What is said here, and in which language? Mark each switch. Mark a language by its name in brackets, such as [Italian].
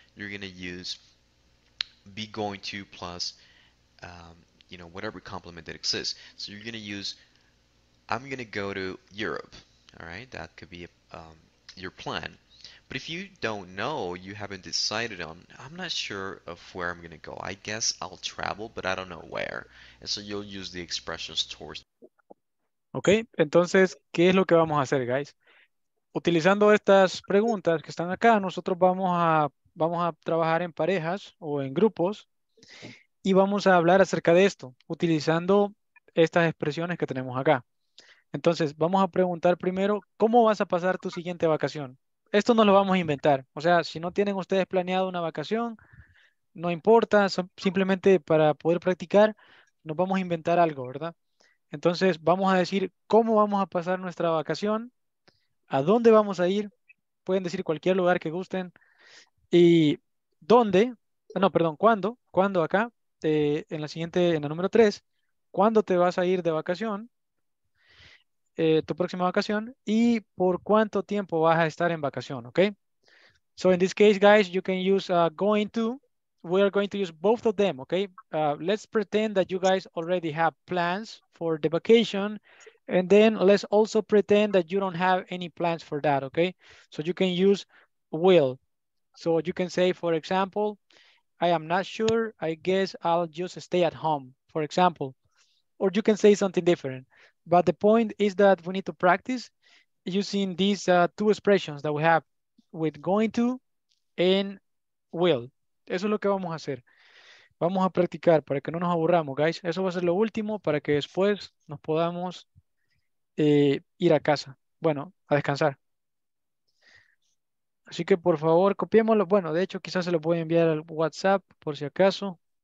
[English] You're going to use be going to plus, you know, whatever complement that exists. So you're going to use, I'm going to go to Europe. All right. That could be your plan. But if you don't know, you haven't decided on, I'm not sure of where I'm going to go. I guess I'll travel, but I don't know where. And so you'll use the expressions towards. [Spanish] Okay, entonces, ¿qué es lo que vamos a hacer, guys? Utilizando estas preguntas que están acá, nosotros vamos a trabajar en parejas o en grupos y vamos a hablar acerca de esto, utilizando estas expresiones que tenemos acá. Entonces, vamos a preguntar primero, ¿cómo vas a pasar tu siguiente vacación? Esto no lo vamos a inventar. O sea, si no tienen ustedes planeado una vacación, no importa, simplemente para poder practicar, nos vamos a inventar algo, ¿verdad? Entonces, vamos a decir, ¿cómo vamos a pasar nuestra vacación? ¿A dónde vamos a ir? Pueden decir cualquier lugar que gusten. ¿Y dónde? No, perdón, ¿cuándo? ¿Cuándo acá? En la siguiente, en la número 3. ¿Cuándo te vas a ir de vacación? Tu próxima vacación. ¿Y por cuánto tiempo vas a estar en vacación? ¿Ok? [English] So, in this case, guys, you can use going to. We are going to use both of them, ¿ok? Let's pretend that you guys already have plans for the vacation. And then let's also pretend that you don't have any plans for that, okay? So you can use will. So you can say, for example, I am not sure. I guess I'll just stay at home, for example. Or you can say something different. But the point is that we need to practice using these two expressions that we have with going to and will. [Spanish] Eso es lo que vamos a hacer. Vamos a practicar para que no nos aburramos, guys. Eso va a ser lo último para que después nos podamos... ir a casa, bueno, a descansar. Así que por favor, copiémoslo. Bueno, de hecho, quizás se lo voy a enviar al WhatsApp por si acaso.